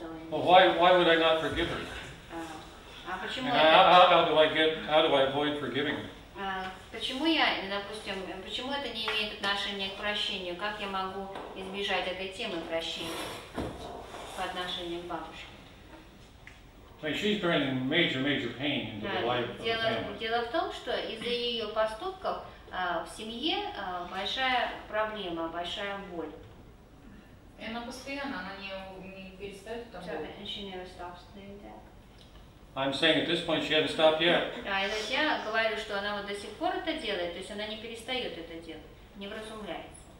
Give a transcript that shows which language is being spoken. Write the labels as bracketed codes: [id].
[en] Well, why would I not forgive her? How do I avoid forgiving her? [ru] Почему это не имеет отношения к прощению? Как я могу избежать этой темы прощения по отношению к бабушке? [en] Like she's been in major pain in the life of the family. [ru] Дело в том, что из-за ее поступков в семье большая проблема, большая боль. И она постоянно, она не перестает там быть. [en] I'm saying at this point she hasn't stopped yet. [ru] Да, это я говорю, что она вот до сих пор это делает, то есть она не перестает это делать, не вразумляется.